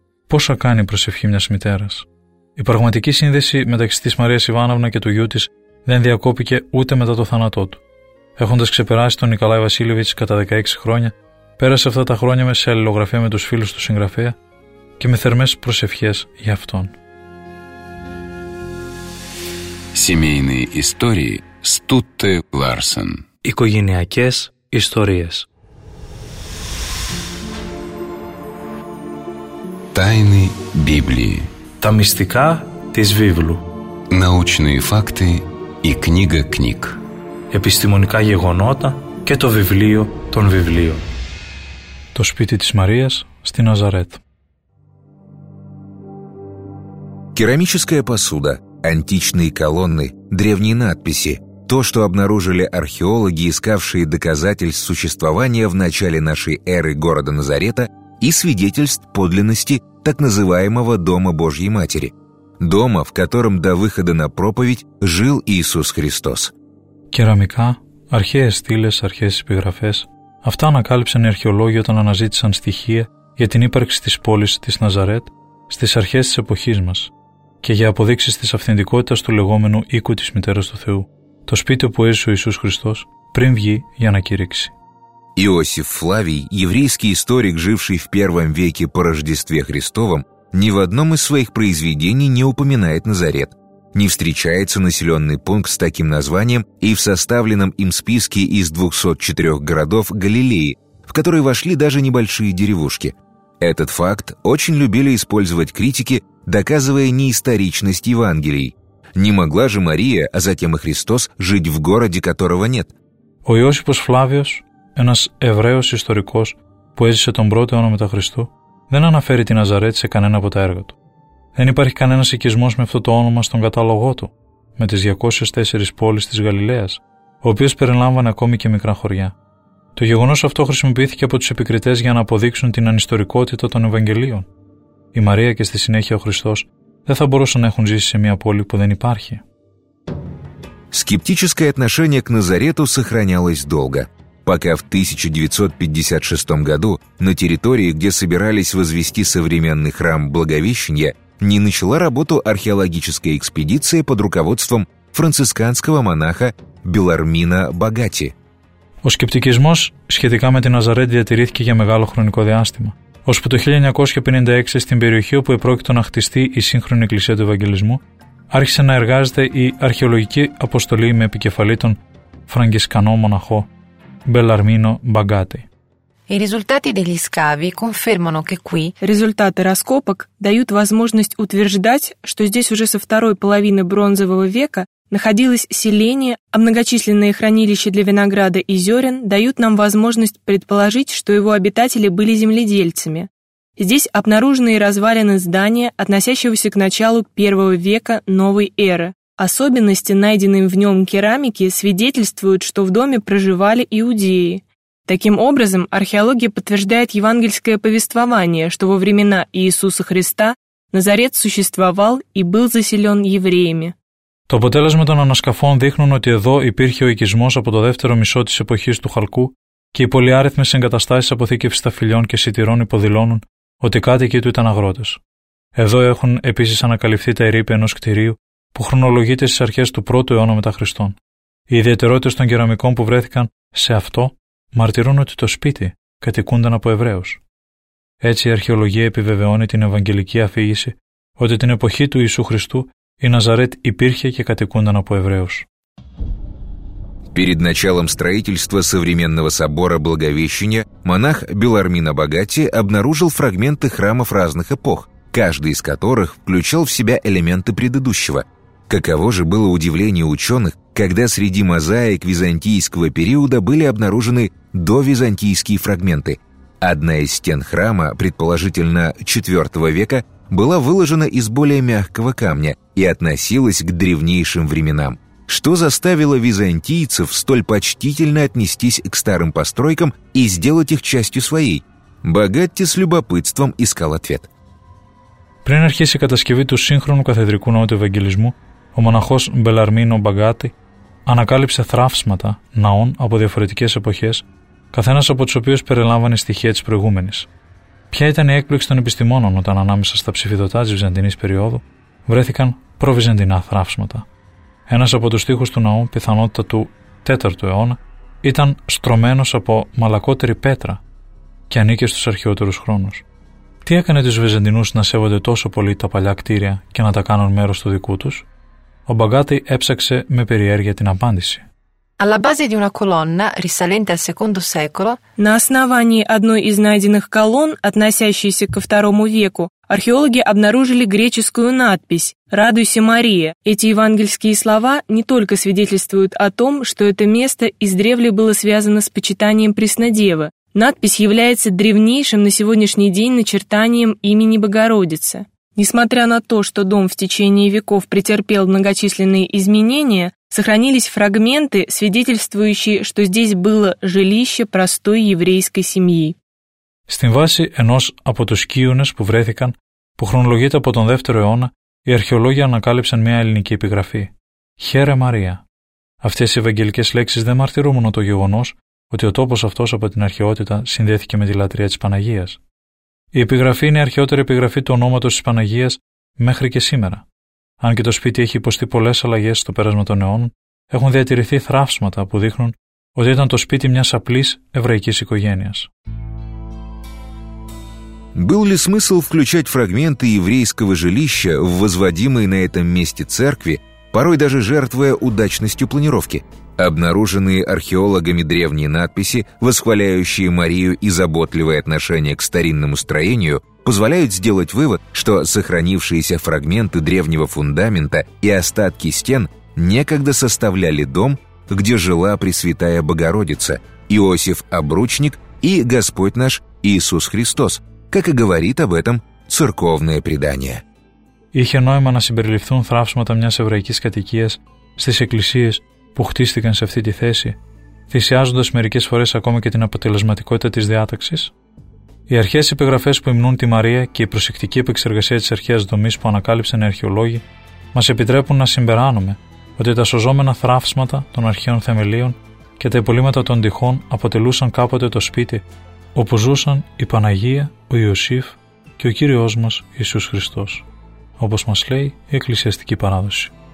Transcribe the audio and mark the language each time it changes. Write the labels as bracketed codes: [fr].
[el] Πόσα κάνει η προσευχή μιας μητέρας. Η πραγματική σύνδεση μεταξύ της Μαρίας Ιβάνοβνα και του γιού της δεν διακόπηκε ούτε μετά το θάνατό του. Έχοντας ξεπεράσει τον Νικολάη Βασίλεβιτς κατά 16 χρόνια, πέρασε αυτά τα χρόνια με σε αλληλογραφία με τους φίλους του συγγραφέα και με θερμές προσευχές για αυτόν. [ru] Семейные истории Стутте Ларсен. [el] Οικογενειακές ιστορίες. [ru] Тайны Библии. [el] Τα μυστικά της Βίβλου. [ru] Научные факты и книга книг. [el] Επιστημονικά γεγονότα και το βιβλίο των βιβλίων. Το σπίτι της Μαρίας στη Ναζαρέτ. [ru] Керамическая посуда. Античные колонны, древние надписи – то, что обнаружили археологи, искавшие доказательств существования в начале нашей эры города Назарета и свидетельств подлинности так называемого Дома Божьей Матери, дома, в котором до выхода на проповедь жил Иисус Христос. [el] Керамика, архаи стилес, архаи эпиграфес – αυτά ανακάλυψαν οι археολόγοι όταν αναζήτησαν στοιχεία για την ύπαρξη της πόλης της Ναζαρέτ στις αρχές της εποχής μας. Και για αποδείξεις της αυθεντικότητας του λεγόμενου οίκου της Μητέρας του Θεού, το σπίτι που έζησε ο Ιησούς Χριστός πριν βγει για να κηρύξει. [ru] Иосиф Флавий, еврейский историк, живший в первом веке по Рождестве Христовом, ни в одном из своих произведений не упоминает Назарет. Не встречается населенный пункт с таким названием и в составленном им списке из 204 городов Галилеи, в который вошли даже небольшие деревушки. Этот факт очень любили использовать критики, доказывая неисторичность Евангелий. Не могла же Мария, а затем и Христос, жить в городе, которого нет? [el] Ο Ιώσιπος Φλάβιος, ένας Εβραίος ιστορικός που έζησε τον πρώτο αιώνα μετά Χριστού, δεν αναφέρει τη Ναζαρέτ σε κανένα από τα έργα του. Δεν υπάρχει κανένας οικισμός με αυτό το όνομα στον κατάλογό του, με τις 204 πόλεις της Γαλιλαίας, ο οποίος περιλάμβανε ακόμη και μικρά χωριά. Το γεγονός αυτό χρησιμοποιήθηκε από τους επικριτές για να αποδείξουν την ανιστορικότητα των Ευαγγελίων. Η Μαρία και στη συνέχεια ο Χριστός δεν θα μπορούσαν να έχουν ζήσει σε μια πόλη που δεν υπάρχει. [ru] Скептическое отношение к Назарету сохранялось долго, пока в 1956 году на территории, где собирались возвести современный храм Благовещения, не начала работу археологическая экспедиция под руководством францисканского монаха Белармина Богати. [el] Ο σκεπτικισμός σχετικά με την Ναζαρέτ διατηρήθηκε για μεγάλο χρονικό διάστημα, ώσπου το 1956 στην περιοχή όπου επρόκειτο να χτιστεί η σύγχρονη Εκκλησία του Ευαγγελισμού, άρχισε να εργάζεται η αρχαιολογική αποστολή με επικεφαλή τον Φραγκισκανό μοναχό Μπελαρμίνο Μπαγκάτη. [it] I risultati degli scavi confermano che qui [ru] risultati раскопок дают возможность утверждать, что здесь уже со второй половины бронзового века находилось селение, а многочисленные хранилища для винограда и зерен дают нам возможность предположить, что его обитатели были земледельцами. Здесь обнаружены и развалины здания, относящегося к началу первого века новой эры. Особенности, найденные в нем керамики, свидетельствуют, что в доме проживали иудеи. Таким образом, археология подтверждает евангельское повествование, что во времена Иисуса Христа Назарет существовал и был заселен евреями. [el] Το αποτέλεσμα των ανασκαφών δείχνουν ότι εδώ υπήρχε ο οικισμός από το δεύτερο μισό της εποχής του Χαλκού και οι πολυάριθμες εγκαταστάσεις αποθήκευσης ταφυλιών και σιτηρών υποδηλώνουν ότι οι κάτοικοι του ήταν αγρότες. Εδώ έχουν επίσης ανακαλυφθεί τα ερείπια ενός κτηρίου που χρονολογείται στις αρχές του 1ου αιώνα μετά Χριστόν. Οι ιδιαιτερότητες των κεραμικών που βρέθηκαν σε αυτό μαρτυρούν ότι το σπίτι κατοικούνταν από Εβραίους. Έτσι η αρχαιολογία επιβεβαιώνει την ευαγγελική αφήγηση ότι την εποχή του Ιησού Χριστού η Ναζαρέτ υπήρχε και κατοικούνταν από Εβραίους. [ru] Перед началом строительства современного собора Благовещения монах Белармин Абагати обнаружил фрагменты храмов разных эпох, каждый из которых включал в себя элементы предыдущего. Каково же было удивление ученых, когда среди мозаик византийского периода были обнаружены довизантийские фрагменты. Одна из стен храма, предположительно 4 века, была выложена из более мягкого камня и относилась к древнейшим временам. Что заставило византийцев столь почтительно отнестись к старым постройкам и сделать их частью своей? Багатти с любопытством искал ответ. [el] Πριν αρχίσει η κατασκευή του σύγχρονου καθεδρικού ναού του Ευαγγελισμού, ο μοναχός Μπελαρμίνο Μπαγκάτι ανακάλυψε θραύσματα ναών από διαφορετικές εποχές, καθένας από τους οποίους περιλάμβανε στοιχεία της προηγούμενης. Ποια ήταν η έκπληξη των επιστημόνων όταν ανάμεσα στα ψηφιδωτά της Βυζαντινής περίοδου βρέθηκαν προβυζαντινά θραύσματα. Ένας από τους στίχους του ναού, πιθανότητα του 4ου αιώνα, ήταν στρωμένος από μαλακότερη πέτρα και ανήκε στους αρχαιότερους χρόνους. Τι έκανε τους Βυζαντινούς να σέβονται τόσο πολύ τα παλιά κτίρια και να τα κάνουν μέρος του δικού τους? Ο Μπαγκάτι έψαξε με περιέργεια την απάντηση. [it] Alla base di una colonna risalente al II secolo, [ru] на основании одной из найденных колонн, относящейся ко II веку, археологи обнаружили греческую надпись «Радуйся, Мария». Эти евангельские слова не только свидетельствуют о том, что это место издревле было связано с почитанием Преснодевы. Надпись является древнейшим на сегодняшний день начертанием имени Богородицы. Несмотря на то, что дом в течение веков претерпел многочисленные изменения, сохранились фрагменты, свидетельствующие, что здесь было жилище простой еврейской семьи. [el] Στην βάση ενός από τους κείουνες που βρέθηκαν, που χρονολογείται από τον 2ο αιώνα, οι αρχαιολόγοι ανακάλυψαν μια ελληνική επιγραφή. «Χαίρε Μαρία». Αυτές οι ευαγγελικές λέξεις δεν μαρτυρούν μόνο το γεγονός ότι ο τόπος αυτός από την αρχαιότητα συνδέθηκε με τη λατρεία της Παναγίας. Η επιγραφή είναι η αρχαιότερη επιγραφή του ονόματος της Παναγίας μέχρι και σήμερα. Αν και το σπίτι έχει υποστεί πολλές αλλαγές στο πέρασμα των αιώνων, έχουν διατηρηθεί θραύσματα που δείχνουν ότι ήταν το σπίτι μιας απλής εβραϊκής οικογένειας. [ru] Был ли смысл включать фрагменты еврейского жилища в возводимой на этом месте церкви, порой даже жертвуя удачностью планировки? Обнаруженные археологами древние надписи, восхваляющие Марию и заботливое отношение к старинному строению, позволяют сделать вывод, что сохранившиеся фрагменты древнего фундамента и остатки стен некогда составляли дом, где жила Пресвятая Богородица, Иосиф Обручник и Господь наш Иисус Христос, как и говорит об этом церковное предание. [el] Είχε νόημα να συμπεριληφθούν θραύσματα μιας εβραϊκής κατοικίας στις εκκλησίες που χτίστηκαν σε αυτή τη θέση, θυσιάζοντας μερικές φορές ακόμα και την αποτελεσματικότητα της διάταξης? Οι αρχαίες επιγραφές που υμνούν τη Μαρία και η προσεκτική επεξεργασία της αρχαίας δομής που ανακάλυψαν οι αρχαιολόγοι μας επιτρέπουν να συμπεράνουμε ότι τα σωζόμενα θραύσματα των αρχαίων θεμελίων και τα υπολείμματα των τοιχών αποτελούσαν κάποτε το σπίτι όπου ζούσαν η Παναγία, ο Ιωσήφ και ο Κύριός μας Ιησούς Χριστός, όπως μας λέει η εκκλησιαστική παράδοση.